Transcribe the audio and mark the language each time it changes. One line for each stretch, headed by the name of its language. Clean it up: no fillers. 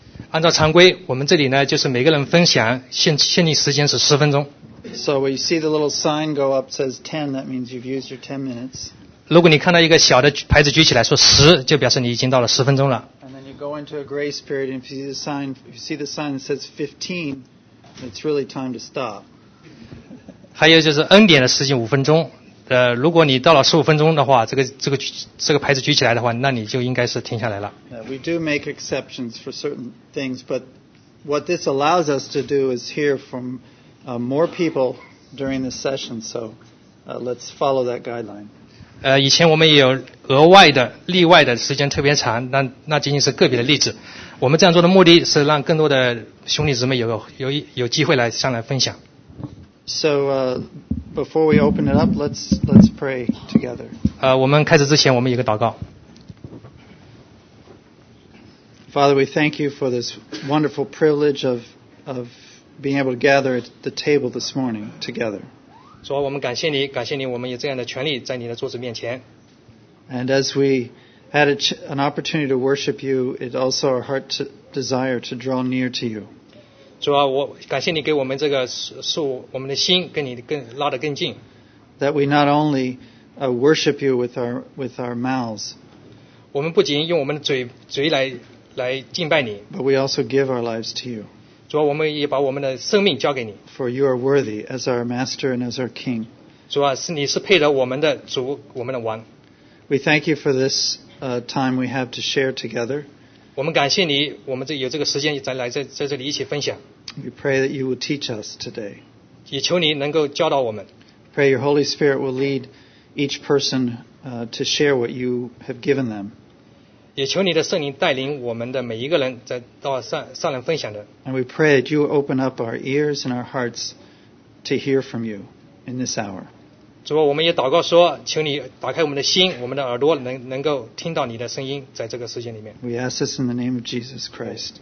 Chinese: 按照常规，我们这里呢，就是每个人分享限定时间是十分钟。
English: So when you see the little sign go up says 10, that means you've used your 10 minutes.
Chinese: 如果你看到一个小的牌子举起来说十，就表示你已经到了十分钟了。
English: And then you go into a grace period, and if you see the sign that says 15, it's really time to stop.
Chinese: 还有就是恩典的时间五分钟。如果你到了十五分钟的话，这个牌子举起来的话，那你就应该是停下来了。
English: We do make exceptions for certain things, but what this allows us to do is hear from more people during this session. So let's follow that guideline.
Chinese: 以前我们也有额外的、例外的时间特别长，那仅仅是个别的例子。我们这样做的目的是让更多的兄弟姊妹有机会来上来分享。
English: So before we open it up, let's pray together.
Chinese: 我们开始之前，我们有个祷告。
English: Father, we thank you for this wonderful privilege of being able to gather at the table this morning together.
Chinese: 主啊，我们感谢你，感谢你，我们有这样的权利在你的桌子面前。
English: And as we had an opportunity to worship you, it also our heart to desire to draw near to you.
Chinese: 主啊，我感谢你给我们这个树，我们的心跟你更拉得更近。
English: That we not only worship you with our mouths.
Chinese: 我们不仅用我们的嘴来敬拜你。
English: But we also give our lives to you.
Chinese: 主啊，我们也把我们的生命交给你。
English: For you are worthy as our master and as our king.
Chinese: 主啊，你是配得我们的主，我们的王。
English: We thank you for this time we have to share together.
Chinese: 我们感谢你，我们有这个时间来在这里一起分享。
English: We pray that you will teach us today.
Chinese: 也求你能够教导我们。
English: Pray your Holy Spirit will lead each person to share what you have given them.
Chinese: 也求你的圣灵带领我们的每一个人在到上来分享的。
English: And we pray that you will open up our ears and our hearts to hear from you in this hour.
Chinese: 主啊，我们也祷告说，求你打开我们的心，我们的耳朵能够听到你的声音，在这个时间里面。
English: We ask this in the name of Jesus Christ.